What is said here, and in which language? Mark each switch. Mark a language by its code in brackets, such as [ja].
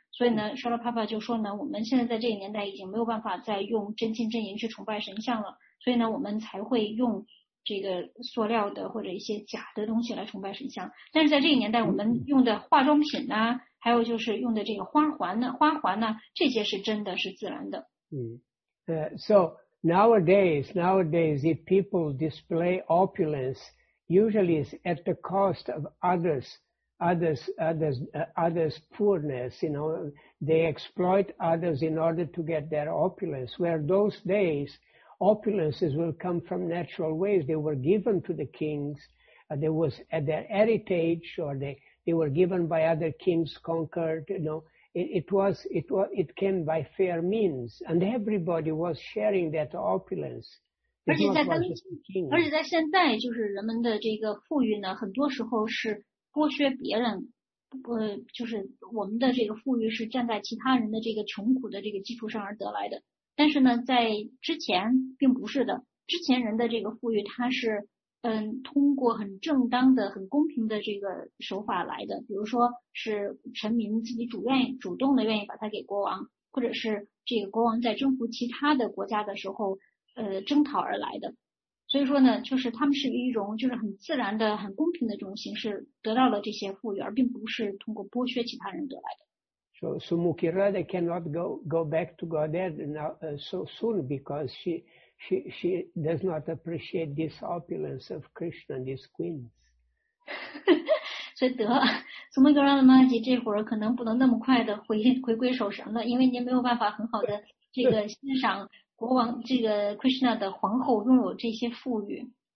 [zh] 所以呢，沙拉帕帕就说呢，我们现在在这个年代已经没有办法再用真金真银去崇拜神像了，所以呢，我们才会用这个塑料的或者一些假的东西来崇拜神像。但是在这个年代，我们用的化妆品呢，还有就是用的这个花环呢，这些是真的是自然的。 [en] So nowadays, if people display opulence, usually it's at the cost of others' poorness. You know, they exploit others in order to get their opulence. Where those days, opulences will come from natural ways. They were given to the kings. There was at their heritage, or they were given by other kings conquered. You know, it came by fair means, and everybody was sharing that opulence. [zh] 而且在现在，就是人们的这个富裕呢，很多时候是剥削别人，就是我们的这个富裕是站在其他人的这个穷苦的这个基础上而得来的。但是呢，在之前并不是的，之前人的这个富裕它是通过很正当的、很公平的这个手法来的，比如说是臣民自己主动的愿意把它给国王，或者是这个国王在征服其他的国家的时候征讨而来的。所以说呢，就是他们是一种就是很自然的、很公平的这种形式得到了这些富裕，而并不是通过剥削其他人得来的。 [en] So Sumukirada cannot go back to Godhead now so soon because she does not appreciate this opulence of Krishna and his queens. [zh] 所以得 Sumukirada Maharaj 这会儿可能不能那么快的回归守神了，因为您没有办法很好的这个欣赏国王这个 Krishna 的皇后拥有这些富裕。